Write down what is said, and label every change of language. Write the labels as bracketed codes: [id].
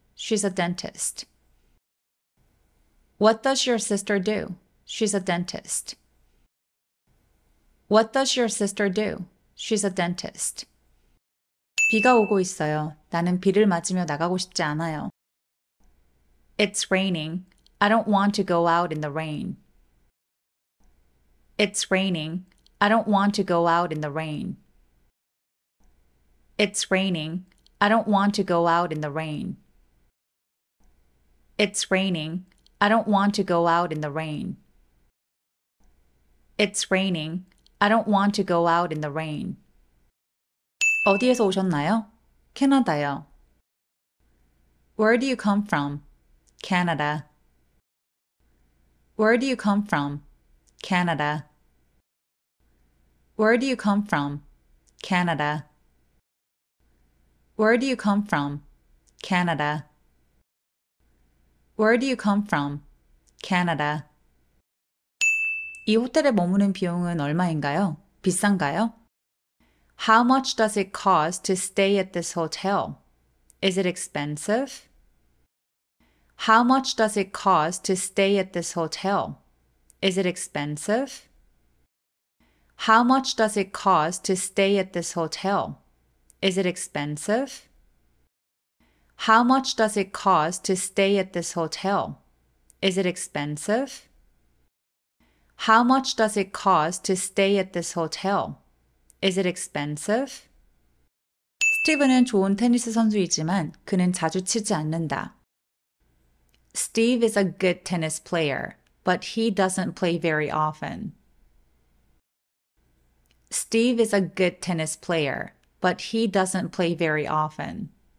[en] She's a dentist. What does your sister do? She's a dentist. What does your sister do? She's a dentist. [ko] 비가 오고 있어요. 나는 비를 맞으며 나가고 싶지 않아요. [en] It's raining. I don't want to go out in the rain. It's raining. I don't want to go out in the rain. It's raining. I don't want to go out in the rain. It's raining. I don't want to go out in the rain. It's raining. I don't want to go out in the rain. [ko] 어디에서 오셨나요? 캐나다요. [en] Where do you come from? Canada. Where do you come from? Canada. Where do you come from? Canada. Where do you come from? Canada. Where do you come from? Canada. [ko] 이 호텔에 머무는 비용은 얼마인가요? 비싼가요? [en] How much does it cost to stay at this hotel? Is it expensive? How much does it cost to stay at this hotel? Is it expensive? How much does it cost to stay at this hotel? Is it expensive? How much does it cost to stay at this hotel? Is it expensive? How much does it cost to stay at this hotel? Is it expensive? [ko] 스티브는 좋은 테니스 선수이지만 그는 자주 치지 않는다. [en] Steve is a good tennis player, but he doesn't play very often. Steve is a good tennis player, but he doesn't play very often.